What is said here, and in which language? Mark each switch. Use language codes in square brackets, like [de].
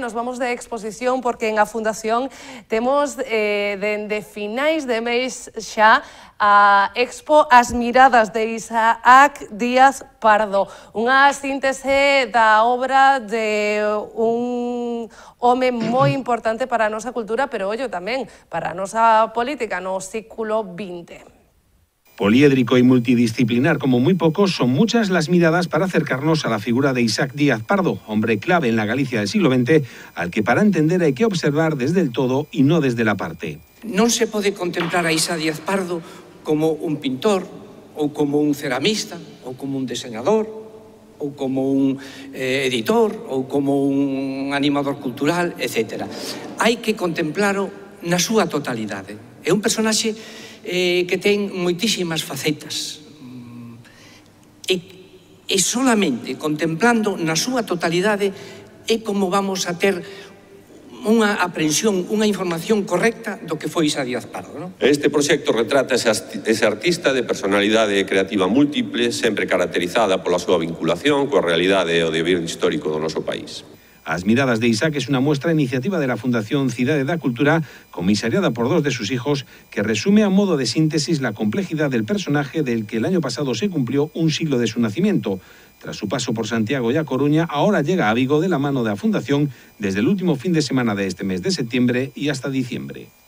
[gl] Nos vamos de exposición porque en a Fundación temos de finais de mes xa a Expo As Miradas de Isaac Díaz Pardo. Unha síntese da obra de un home moi importante para a nosa cultura, pero ollo tamén para a nosa política no século XX. [es] Poliédrico y multidisciplinar como muy pocos, son muchas las miradas para acercarnos a la figura de Isaac Díaz Pardo, hombre clave en la Galicia del siglo XX, al que para entender hay que observar desde el todo y no desde la parte. No se puede contemplar a Isaac Díaz Pardo como un pintor, o como un ceramista, o como un diseñador, o como un editor, o como un animador cultural, etc. Hay que contemplarlo en su totalidad. Es un personaje que [gl] ten moitísimas facetas e solamente contemplando na súa totalidade é como vamos a ter unha aprensión, unha información correcta do que foi Isaac Díaz Pardo. Este proxecto retrata ese artista de personalidade creativa múltiple, sempre caracterizada pola súa vinculación coa realidade e o devir histórico do noso país. [es] As Miradas de Isaac es una muestra iniciativa de la Fundación Cidade da Cultura, comisariada por dos de sus hijos, que resume a modo de síntesis la complejidad del personaje del que el año pasado se cumplió un siglo de su nacimiento. Tras su paso por Santiago y a Coruña, ahora llega a Vigo de la mano de la Fundación desde el último fin de semana de este mes de septiembre y hasta diciembre.